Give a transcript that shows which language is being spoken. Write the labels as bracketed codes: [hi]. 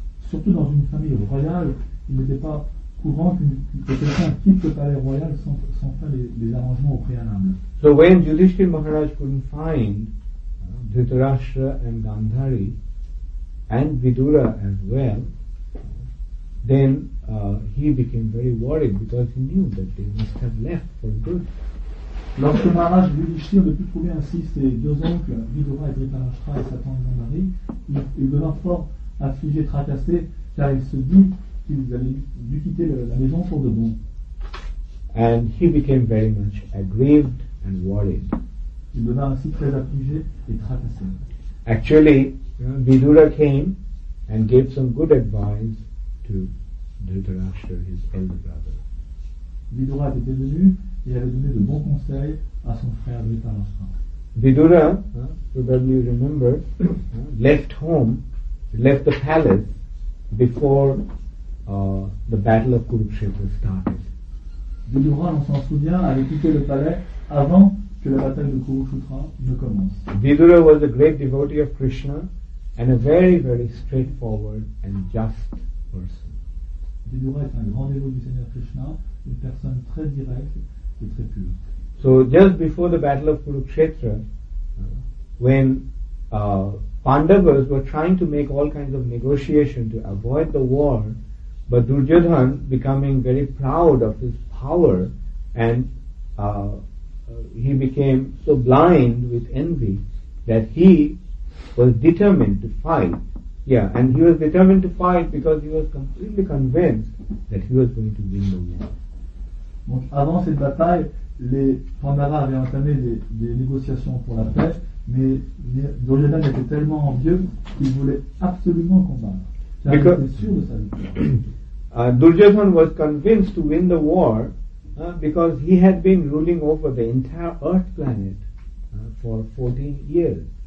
[fr] Surtout dans une famille royale, il n'était pas courant que quelqu'un quitte le palais royal sans faire les arrangements au préalable. [en] So when Yudhishthir Maharaj couldn't find Dhritarashtra and Gandhari and Vidura as well, then he became very worried because he knew that they must have left for good. [fr] Lorsque Maharaj Yudhishthir ne put trouver ainsi ses deux oncles, Vidura et Dhritarashtra et sa tante Gandhari, il devint fort affligé, tracassé, car il se dit qu'ils allaient dû quitter la maison pour de bon. [en] And he became very much aggrieved and worried. [fr] Il devint ainsi très affligé et tracassé. [en] Actually, Vidura came and gave some good advice to Dhritarashtra, his elder brother. [fr] Vidura était venu et avait donné de bons conseils à son frère Dhritarashtra. [en] Vidura, probably you remember, left home, left the palace before the battle of Kurukshetra started. [fr] Vidura, on s'en souvient, avait quitté le palais avant que la bataille de Kurukshetra ne commence. [en] Vidura was a great devotee of Krishna and a very, very straightforward and just person. [fr] Vidura est un grand dévot du Seigneur Krishna, une personne très directe et très pure. [en] So just before the battle of Kurukshetra, when Pandavas were trying to make all kinds of negotiation to avoid the war, but Duryodhan, becoming very proud of his power, and he became so blind with envy that he was determined to fight. Yeah, and he was determined to fight because he was completely convinced that he was going to win the war. [fr] Donc avant cette bataille, les Pandavas avaient entamé des négociations pour la paix, mais Duryodhan était tellement envieux qu'il voulait absolument combattre. Car il était sûr de sa victoire. [en] Duryodhan was convinced to win the war because he had been ruling over the entire Earth planet for 14 years.